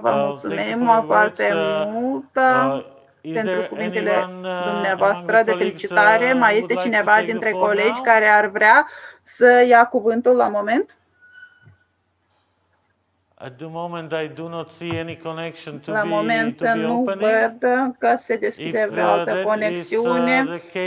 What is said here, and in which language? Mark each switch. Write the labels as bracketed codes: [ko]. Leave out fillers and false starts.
[ro] Vă mulțumim foarte mult pentru cuvintele dumneavoastră de felicitare. Mai este cineva dintre colegi care ar vrea să ia cuvântul la moment? [en] At the moment I do not see any connection to [ro] la moment [en] to [ro] nu văd că se deschide vreo altă conexiune.